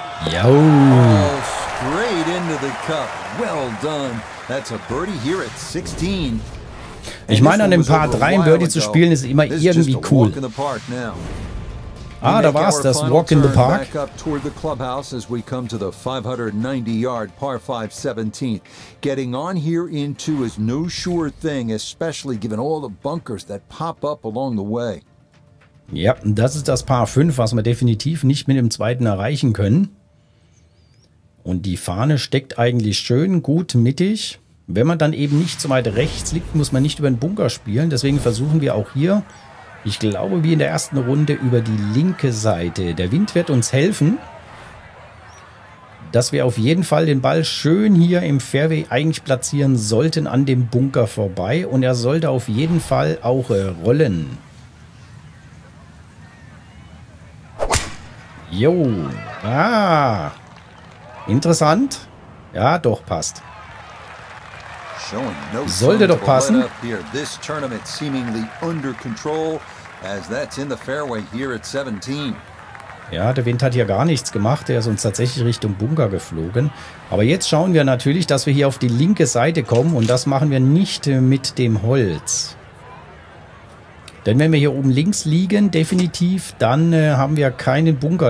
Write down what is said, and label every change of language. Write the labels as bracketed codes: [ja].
[de] Jau! [en] Straight into the cup. Well done. That's a birdie here at 16. [de] Ich meine, an dem Par 3 ein Birdie zu spielen, ist immer irgendwie cool. Ah, da war's, das [en] Walk in the Park. Back up toward the clubhouse as we come to the 590-yard par 5 17th. Getting on here in two is no sure thing, especially given all the bunkers that pop up along the way. [de] Ja, das ist das Par 5, was wir definitiv nicht mit dem zweiten erreichen können. Und die Fahne steckt eigentlich schön gut mittig. Wenn man dann eben nicht so weit rechts liegt, muss man nicht über den Bunker spielen. Deswegen versuchen wir auch hier, ich glaube, wie in der ersten Runde, über die linke Seite. Der Wind wird uns helfen, dass wir auf jeden Fall den Ball schön hier im Fairway eigentlich platzieren sollten an dem Bunker vorbei. Und er sollte auf jeden Fall auch rollen. Jo. Ah. Interessant. Ja, doch, passt. Sollte doch passen. [en] This tournament seemingly under control, as that's in the fairway here at 17. [de] Ja, der Wind hat hier gar nichts gemacht. Er ist uns tatsächlich Richtung Bunker geflogen. Aber jetzt schauen wir natürlich, dass wir hier auf die linke Seite kommen. Und das machen wir nicht mit dem Holz. Denn wenn wir hier oben links liegen, definitiv, dann haben wir keinen Bunker.